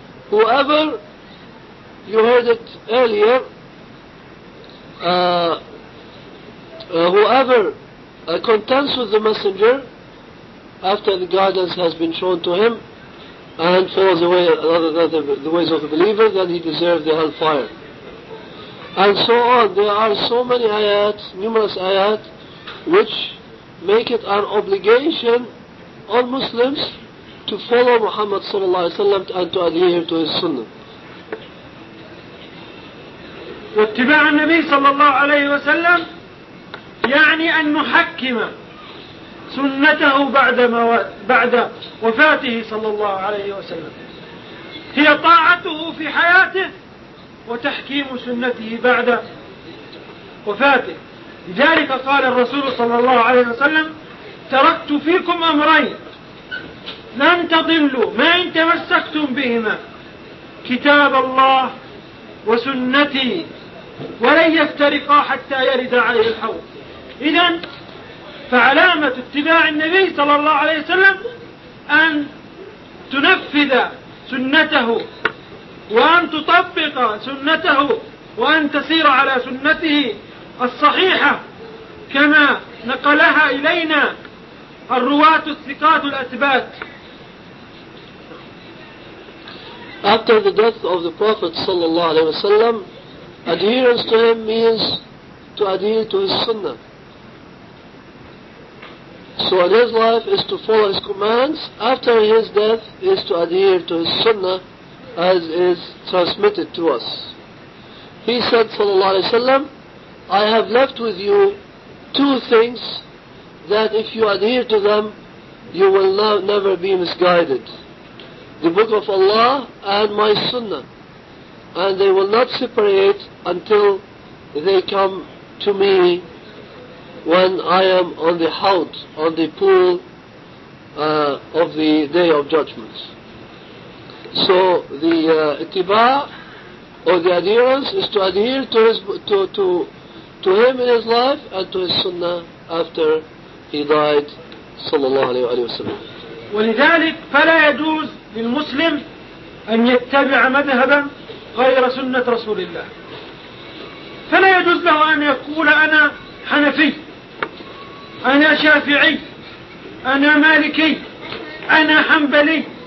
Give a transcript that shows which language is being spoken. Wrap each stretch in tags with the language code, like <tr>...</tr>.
<en>Whoever, you heard it earlier, whoever contends with the messenger after the guidance has been shown to him and follows the way, the ways of the believer, then he deserves the hellfire. And so on. There are so many ayats, numerous ayats, which make it an obligation on Muslims to follow Muhammad sallallahu alayhi wa sallam and to adhere to his sunnah.</en> <ar>واتباع النبي صلى الله عليه وسلم يعني أن نحكم سنته بعد ما بعد وفاته صلى الله عليه وسلم هي طاعته في حياته وتحكيم سنته بعد وفاته. لذلك قال الرسول صلى الله عليه وسلم: تركت فيكم أمرين لن تضلوا ما إن تمسكتم بهما، كتاب الله وسنتي، ولن يفترقا حتى يرد عليه الحوض. إذن فعلامة اتباع النبي صلى الله عليه وسلم أن تنفذ سنته وأن تطبق سنته وأن تسير على سنته الصحيحة كما نقلها إلينا الرواة الثقات الأثبات.</ar> <en>After the death of the Prophet</en> <ar>صلى الله عليه وسلم,</ar> <en>adherence to him means to adhere to his sunnah. So in his life is to follow his commands, after his death is to adhere to his sunnah as is transmitted to us. He said, sallallahu alayhi wa sallam, I have left with you two things that if you adhere to them, you will never be misguided. The Book of Allah and my sunnah. And they will not separate until they come to me when I am on the haud, on the pool of the Day of Judgment. So the itiba, or the adherence, is to adhere to his, to him in his life and to his sunnah after he died, sallallahu alayhi wa sallam.</en> <ar>ولذلك فلا يجوز للمسلم أن يتبع مذهبا غير سنة رسول الله، فلا يجوز له أن يقول أنا حنفي، أنا شافعي، أنا مالكي، أنا حنبلي،</ar>